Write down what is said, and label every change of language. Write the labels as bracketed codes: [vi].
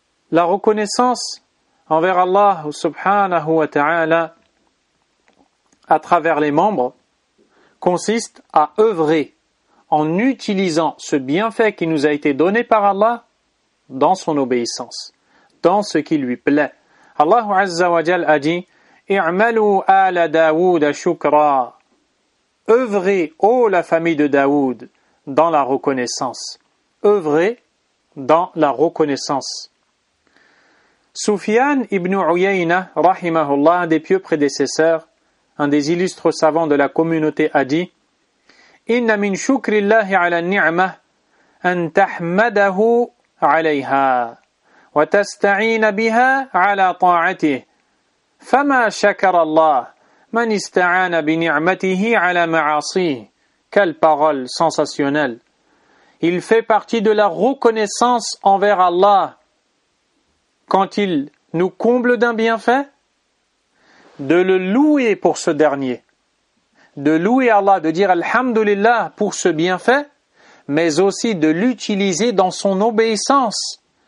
[fr] La reconnaissance envers Allah, subhanahu wa ta'ala, à travers les membres, consiste à œuvrer en utilisant ce bienfait qui nous a été donné par Allah dans son obéissance, dans ce qui lui plaît. Allah Azza wa Jal a dit « [ar] I'malu ala Dawood shukra [fr] » œuvrez, ô la famille de Dawood, dans la reconnaissance. Œuvrez dans la reconnaissance. Soufyan ibn Uyayna, rahimahullah, des pieux prédécesseurs, un des illustres savants de la communauté, a dit [ar] إِنَّ مِنْ شُكْرِ اللَّهِ عَلَى النِّعْمَةِ أَنْ تَحْمَدَهُ عَلَيْهَا وَتَسْتَعِينَ بِهَا عَلَى طَاعَتِهِ فَمَا شَكَرَ اللَّهِ مَنْ إِسْتَعَانَ بِنِعْمَتِهِ عَلَى مَعَاصِيهِ. [fr] Quelle parole sensationnelle! Il fait partie de la reconnaissance envers Allah quand il nous comble d'un bienfait, de le louer pour ce dernier, de louer Allah, de dire Alhamdulillah pour ce bienfait, mais aussi de l'utiliser dans son obéissance.